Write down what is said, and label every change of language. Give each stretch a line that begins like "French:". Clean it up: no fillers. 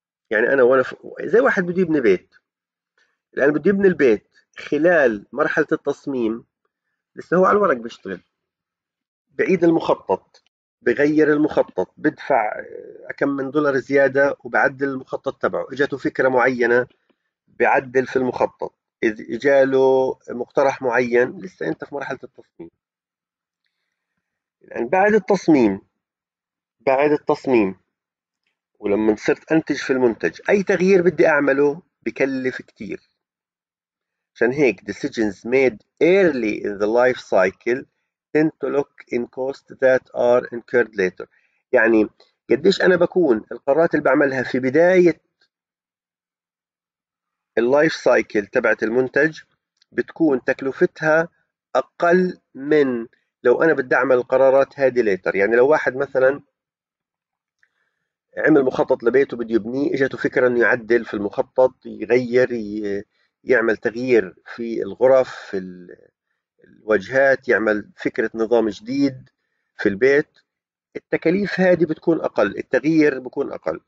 Arabic: يعني أنا وأنا زي واحد بده يبني بيت، الآن بده يبني البيت، خلال مرحلة التصميم لسه هو على الورق بيشتغل، بعيد المخطط، بغير المخطط، بدفع كم من دولار زيادة وبعدل المخطط تبعه، إجاته فكرة معينة بعدل في المخطط، إذا إجاله مقترح معين لسه أنت في مرحلة التصميم. الآن بعد التصميم ولما صرت أنتج في المنتج، أي تغيير بدي أعمله بكلف كتير. عشان هيك
English: decisions made early in the life cycle tend to look in costs that are incurred later.
Arabic: يعني قديش أنا بكون القرارات اللي بعملها في بداية ال life cycle تبعت المنتج بتكون تكلفتها أقل من لو أنا بدي أعمل القرارات هذه later. يعني لو واحد مثلا عمل مخطط لبيته بده يبنيه، إجته فكرة إنه يعدل في المخطط، يغير، يعمل تغيير في الغرف، في الواجهات، يعمل فكرة نظام جديد في البيت، التكاليف هذه بتكون أقل، التغيير بكون أقل.